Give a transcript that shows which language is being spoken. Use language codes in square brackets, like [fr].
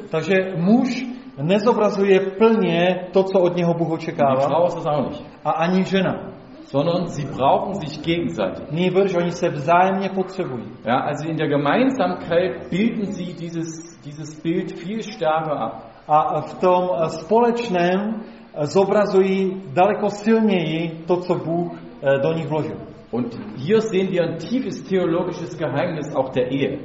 [cs] Takže muž nezobrazuje plně to, co od něho Bůh očekává. [de] Frau ist das auch nicht. [cs] A ani žena. [de] Sondern sie brauchen sich gegenseitig. [cs] Nebenbei, oni se vzájemně potřebují. [de] Ja, also in der Gemeinsamkeit bilden sie dieses Bild viel stärker ab. [cs] A v tom společném zobrazují daleko silněji to, co Bůh do nich vložil. [de] Und hier sehen wir ein tiefes theologisches Geheimnis auch der Ehe.